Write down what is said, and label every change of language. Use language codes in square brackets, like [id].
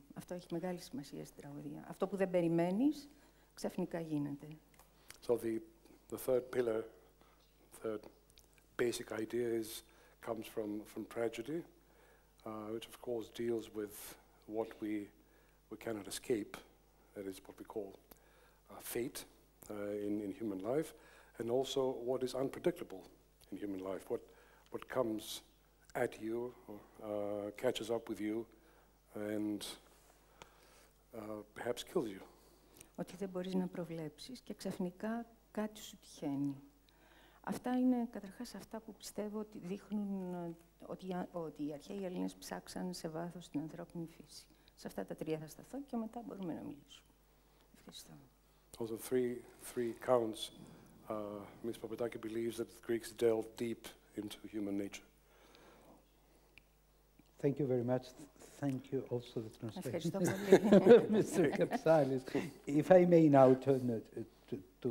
[el] Αυτό έχει μεγάλη σημασία στην τραγωδία. Αυτό που δεν περιμένεις, ξαφνικά γίνεται. [en] So the third pillar, third basic idea is comes from tragedy, which of course deals with what we cannot escape, that is what we call fate in human life, and also what is unpredictable in human life, what comes at you, catches up with you, and perhaps kills you. [el] Ότι δεν μπορείς να προβλέψεις και ξαφνικά κάτι σου τυχαίνει. Αυτά είναι καταρχάς αυτά που πιστεύω ότι δείχνουν ότι οι αρχαίοι Έλληνες ψάξαν σε βάθος την ανθρώπινη φύση. Σε αυτά τα τρία θα σταθώ και μετά μπορούμε να μιλήσουμε. Ευχαριστώ. [en] Also three counts, Ms. Papadaki believes that the Greeks delved deep into human nature. Thank you very much. Thank you also the translation, Mr. Kapsalis. If I may now turn to